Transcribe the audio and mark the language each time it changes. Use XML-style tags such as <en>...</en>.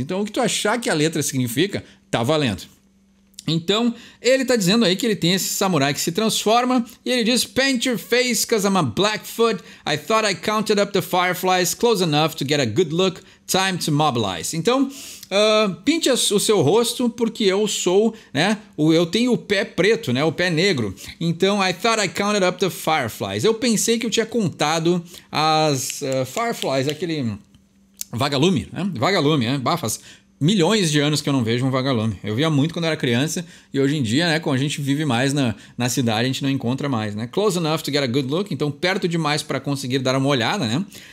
<pt>Então o que tu achar que a letra significa, tá valendo. Então ele tá dizendo aí que ele tem esse samurai que se transforma e ele diz:</pt> <en>Paint your face cause I'm a Blackfoot, I thought I counted up the fireflies close enough to get a good look, time to mobilize.</en> <pt>Então, pinte o seu rosto porque eu sou, né, eu tenho o pé preto, né, o pé negro.</pt> <en>Então, I thought I counted up the fireflies.</en> <pt>Eu pensei que eu tinha contado as fireflies, aquele vagalume, né, bafas. Milhões de anos que eu não vejo um vagalume. Eu via muito quando era criança e hoje em dia, né, quando a gente vive mais na cidade, a gente não encontra mais, né?</pt> <en>Close enough to get a good look,</en> <pt>então perto demais para conseguir dar uma olhada, né?</pt>